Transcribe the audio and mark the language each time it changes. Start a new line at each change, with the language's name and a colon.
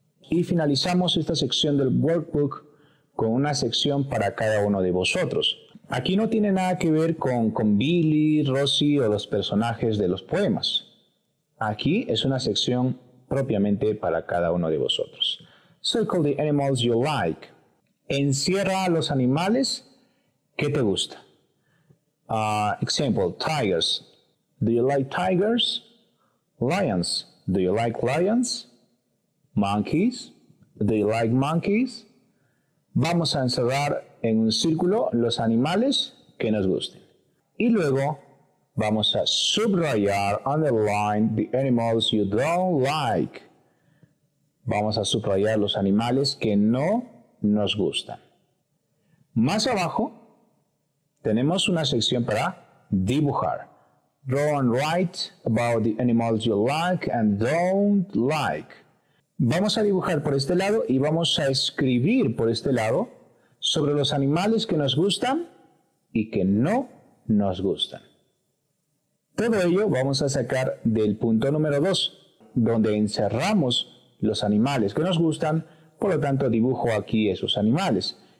Spanish: Y finalizamos esta sección del workbook con una sección para cada uno de vosotros. Aquí no tiene nada que ver con Billy, Rosie o los personajes de los poemas. Aquí es una sección propiamente para cada uno de vosotros.
English: Circle the animals you like.
Spanish: Encierra a los animales que te gusta.
English: Example, tigers. Do you like tigers? Lions. Do you like lions? Monkeys. Do you like monkeys?
Spanish: Vamos a encerrar en un círculo los animales que nos gusten. Y luego vamos a subrayar,
English: underline, the animals you don't like.
Spanish: Vamos a subrayar los animales que no nos gustan. Más abajo tenemos una sección para dibujar.
English: Draw and write about the animals you like and don't like.
Spanish: Vamos a dibujar por este lado y vamos a escribir por este lado sobre los animales que nos gustan y que no nos gustan. Todo ello vamos a sacar del punto número 2, donde encerramos los animales que nos gustan, por lo tanto dibujo aquí esos animales.